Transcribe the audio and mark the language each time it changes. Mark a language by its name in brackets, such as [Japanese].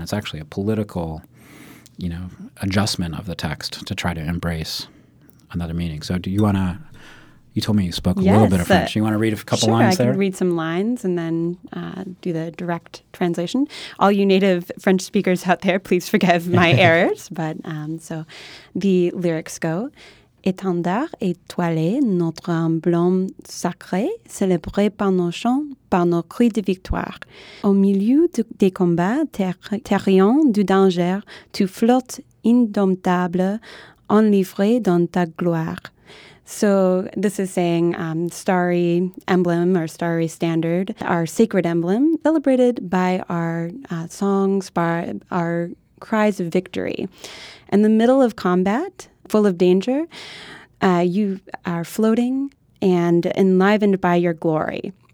[English] It's actually a political, you know, adjustment of the text to try to embrace another meaning. So do you want to, you told me you spoke a little bit of French. You want to read a couple lines there? Sure, I can read some lines and then do the direct translation. All you native French speakers out there, please forgive my errors. But so the lyrics go, [French] étendard étoilé, notre emblème sacré, célébré par nos chants, par nos cris de victoire. Au milieu des combats, terrien du danger, tu flottes indomptable, enivré dans ta gloire. [English] So this is saying starry emblem or starry standard, our sacred emblem, celebrated by our songs, by our cries of victory. In the middle of combat, full of danger, you are floating and enlivened by your glory.